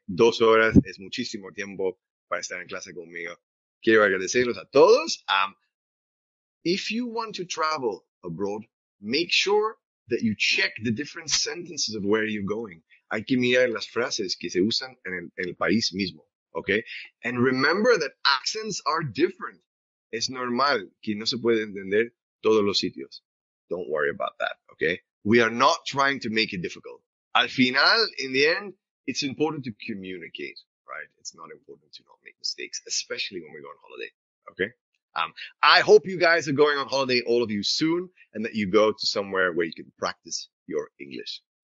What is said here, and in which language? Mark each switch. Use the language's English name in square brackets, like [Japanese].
[Spanish] 2 horas es muchísimo tiempo para estar en clase conmigo. Quiero agradecerlos a todos. [English] If you want to travel abroad, make sure that you check the different sentences of where you're going. [Spanish] Hay que mirar las frases que se usan en el país mismo. Okay? [English] And remember that accents are different. [Spanish] Es normal que no se puede entender todos los sitios. [English] Don't worry about that, okay? We are not trying to make it difficult. [Spanish] Al final, [English] in the end, it's important to communicate, right? It's not important to not make mistakes, especially when we go on holiday, okay? I hope you guys are going on holiday, all of you, soon, and that you go to somewhere where you can practice your English.